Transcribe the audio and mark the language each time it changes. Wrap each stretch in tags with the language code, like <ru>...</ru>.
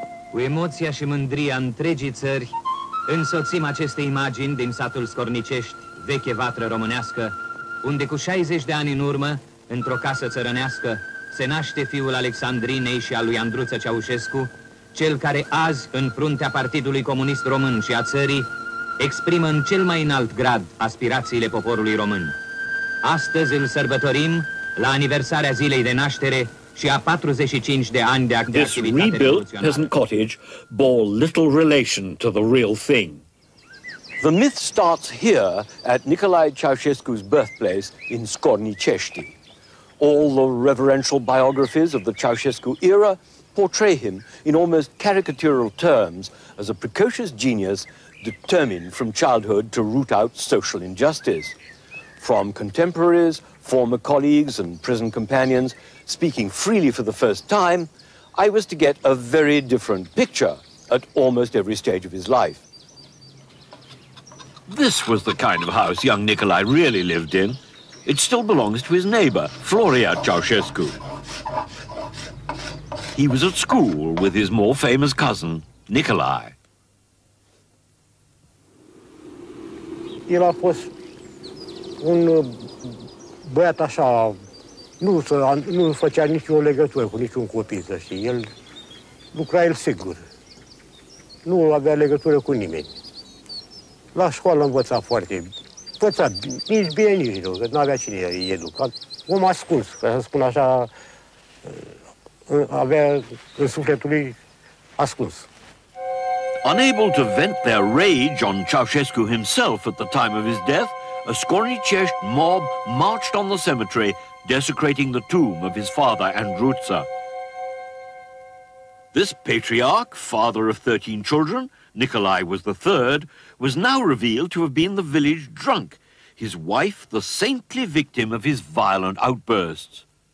<ro>Cu emoția și mândria întregii țări, însoțim aceste imagini din satul Scornicești, veche vatră românească, unde cu 60 de ani în urmă, într-o casă țărănească, se naște fiul Alexandrinei și al lui Andruță Ceaușescu, cel care azi, în fruntea Partidului Comunist Român și a țării, exprimă în cel mai înalt grad aspirațiile poporului român. Astăzi îl sărbătorim la aniversarea zilei de naștere și a 45 de ani de activitate revoluționară.</ro> <en>This rebuilt peasant cottage bore little relation to the real thing. The myth starts here at Nicolae Ceausescu's birthplace in Scornicești. All the reverential biographies of the Ceausescu era portray him in almost caricatural terms as a precocious genius determined from childhood to root out social injustice. From contemporaries, former colleagues and prison companions speaking freely for the first time, I was to get a very different picture at almost every stage of his life. This was the kind of house young Nicolae really lived in. It still belongs to his neighbor, Floria Ceausescu. He was at school with his more famous cousin, Nicolae.</en> <ro>El a fost un băiat așa, nu făcea nicio legătură cu niciun copil, și el lucra el sigur. Nu avea legătură cu nimeni. La școală învăța foarte bine. Învăța nici bine, nici rău, că n-avea cine îi educa. Om ascuns, ca să spun așa, avea în sufletul lui ascuns.</ro> <en>Unable to vent their rage on Ceausescu himself at the time of his death, a Scornicești mob marched on the cemetery, desecrating the tomb of his father, Andruță. This patriarch, father of 13 children, Nicolae was the third, was now revealed to have been the village drunk, his wife the saintly victim of his violent outbursts.</en>